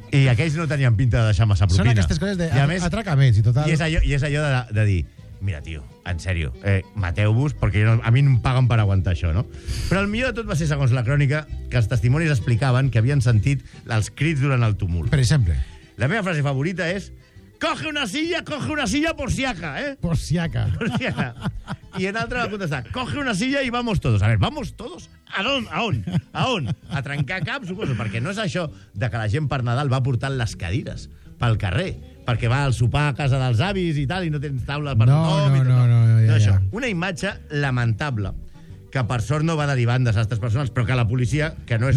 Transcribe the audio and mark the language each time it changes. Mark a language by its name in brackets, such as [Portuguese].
[Catalan] I aquells no tenien pinta de deixar massa propina. Són aquestes coses d'atracaments i total... I és allò de dir, mira, tio, en sèrio, mateu-vos, perquè jo no, a mi no em paguen per aguantar això, no? Però el millor de tot va ser, segons la Crònica, que els testimonis explicaven que havien sentit els crits durant el tumult. Per exemple. La meva frase favorita és... [Spanish] coge una silla por si acá, ¿eh? Por si acá. Por si acá. Y en otra va a contestar, coge una silla y vamos todos. A ver, ¿vamos todos? ¿A dónde? [Catalan] ¿A on? ¿A on? A trencar cap, suposo. Perquè no és això de que la gent per Nadal va portant les cadires pel carrer, perquè va al sopar a casa dels avis i tal, i no tens taula per tothom. No, una imatge lamentable, que per sort no va derivar en desastres personals, però que la policia, que no és,